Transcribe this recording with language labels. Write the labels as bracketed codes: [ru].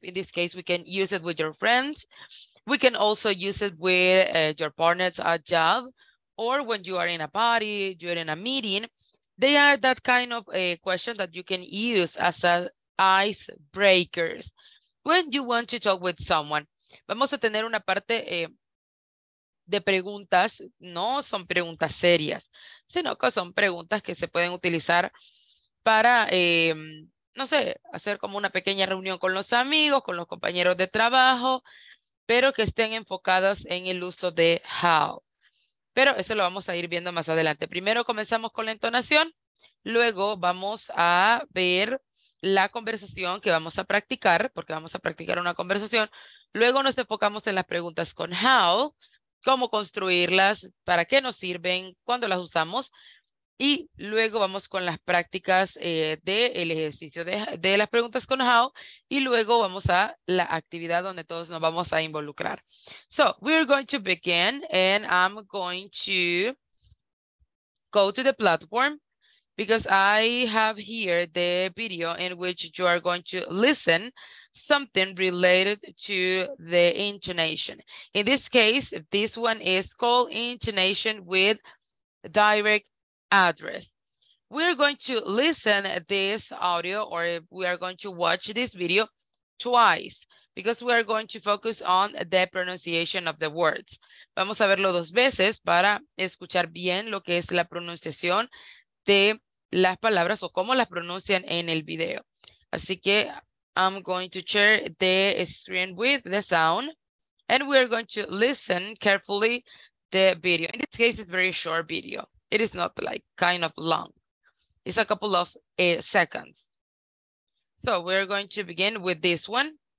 [en] In this case, we can use it with your friends. We can also use it with your partners at job, or when you are in a party, during a meeting. They are that kind of a question that you can use as a icebreakers when you want to talk with someone. [es] Vamos a tener una parte de preguntas, no son preguntas serias, sino que son preguntas que se pueden utilizar para, no sé, hacer como una pequeña reunión con los amigos, con los compañeros de trabajo, pero que estén enfocadas en el uso de how. Pero eso lo vamos a ir viendo más adelante. Primero comenzamos con la entonación, luego vamos a ver la conversación que vamos a practicar, porque vamos a practicar una conversación. Luego nos enfocamos en las preguntas con how, cómo construirlas, para qué nos sirven, cuándo las usamos. Y luego vamos con las prácticas del ejercicio de las preguntas con how. Y luego vamos a la actividad donde todos nos vamos a involucrar. [en] So, we're going to begin and I'm going to go to the platform because I have here the video in which you are going to listen something related to the intonation. In this case, this one is called intonation with direct address. We're going to listen this audio, or we are going to watch this video twice because we are going to focus on the pronunciation of the words. [es] Vamos a verlo dos veces para escuchar bien lo que es la pronunciación de las palabras o cómo las pronuncian en el video. Así que [en] I'm going to share the screen with the sound and we're going to listen carefully the video. In this case, it's a very short video. It is not like kind of long. It's a couple of seconds. So we're going to begin with this one.